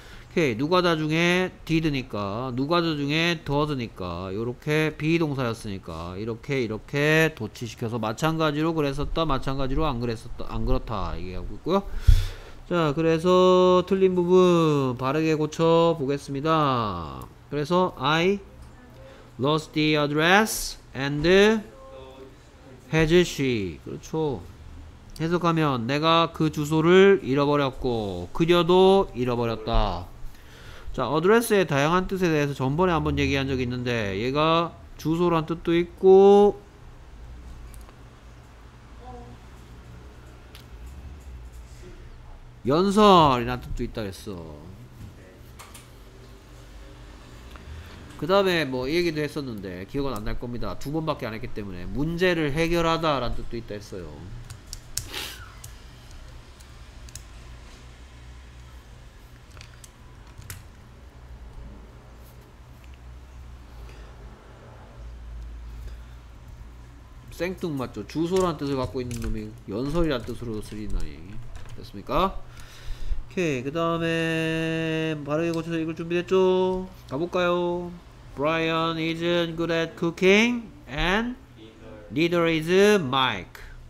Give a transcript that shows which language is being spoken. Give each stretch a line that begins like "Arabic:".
Korean: 오케이 okay, 누가 다 중에 did니까 누가 다 중에 does니까 요렇게 비동사였으니까 이렇게 도치시켜서 마찬가지로 그랬었다 마찬가지로 안 그렇다 얘기하고 있고요. 자 그래서 틀린 부분 바르게 고쳐 보겠습니다. 그래서
English: I lost the address and has she.
Korean: 그렇죠. 해석하면 내가 그 주소를 잃어버렸고 그녀도 잃어버렸다. 자, 어드레스의 다양한 뜻에 대해서 전번에 한번 얘기한 적이 있는데 얘가 주소란 뜻도 있고 연설이란 뜻도 있다 그랬어. 그 다음에 뭐 이 얘기도 했었는데 기억은 안 날 겁니다. 두 번밖에 안 했기 때문에 문제를 해결하다 라는 뜻도 있다 했어요. 생뚱맞죠. 주소란 뜻을 갖고 있는 놈이 연설이란 뜻으로 쓰리나니. 됐습니까? 오케이 그 다음에 바르게 고쳐서 읽을 준비됐죠? 가볼까요?
English: Brian isn't good at cooking and neither is Mike.